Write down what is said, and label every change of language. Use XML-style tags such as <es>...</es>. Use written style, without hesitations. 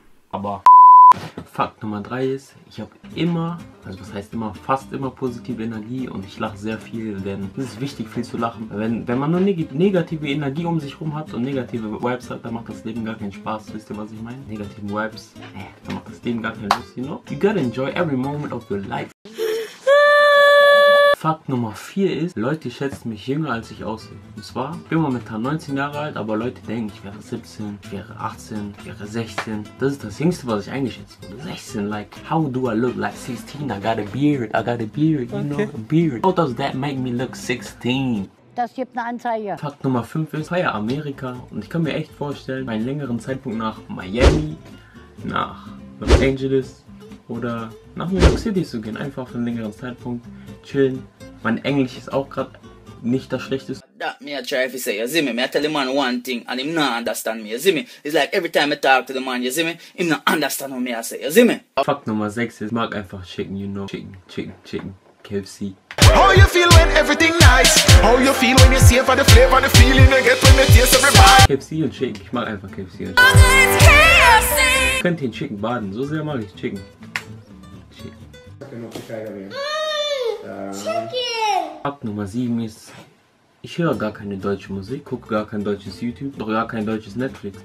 <de>Aber... Fakt Nummer 3 ist, ich habe immer, also was heißt immer, fast immer positive Energie und ich lache sehr viel, denn es ist wichtig, viel zu lachen. Wenn man nur negative Energie um sich rum hat und negative Vibes hat, dann macht das Leben gar keinen Spaß. Wisst ihr, was ich meine? Negative Vibes, dann macht das Leben gar keinen Lust,</de> <en>you know? You gotta enjoy every moment of your life.</en> <de>Fakt Nummer 4 ist, Leute schätzen mich jünger als ich aussehe. Und zwar, ich bin momentan 19 Jahre alt, aber Leute denken, ich wäre 17, ich wäre 18, ich wäre 16. Das ist das Jüngste, was ich eingeschätzt wurde.</de> <en>16, like, how do I look like 16? I got a beard, you know, a beard. How does that make me look 16?</en> <de>Das gibt eine Anzeige. Fakt Nummer 5 ist, ich feiere Amerika und ich kann mir echt vorstellen, meinen längeren Zeitpunkt nach Miami, nach Los Angeles, oder nach New York City zu gehen, einfach für einen längeren Zeitpunkt chillen. Mein Englisch ist auch gerade nicht das Schlechteste.</de> <en>That me I try to say, you see me? Me I tell the man one thing and him not understand me, you see me? It's like every time I talk to the man, you see me? Him not understand what me I say, you see me?</en> <de>Fakt Nummer 6 ist, mag einfach Chicken,</de> <en>you know.</en> <de>Chicken, KFC.</de> <en>How you feel when everything nice? How you feel when you see for the flavor, the feeling you get when the tears everybody?</en> <de>KFC und Chicken, ich mag einfach KFC und Chicken. KFC. Könnt ihr in Chicken baden, so sehr mag ich Chicken. Fakt Nummer 7 ist, ich höre gar keine deutsche Musik, gucke gar kein deutsches YouTube, doch gar kein deutsches Netflix.</de>